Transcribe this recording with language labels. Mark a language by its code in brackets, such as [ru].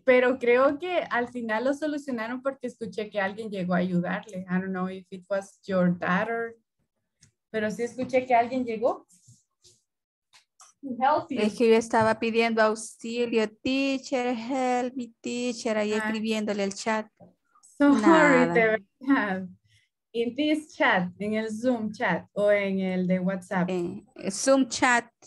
[es] Pero creo que al final lo solucionaron porque escuché que alguien llegó a ayudarle. [en] I don't know if it was your daughter. [es] Pero sí escuché que alguien llegó. [en] Help you. [es] Es que yo estaba pidiendo auxilio, [en] teacher, help me, teacher, [es] ahí escribiéndole el chat. Sorry, de verdad. [en] In this chat, [es] en el Zoom chat o en el de WhatsApp. [en] Zoom chat.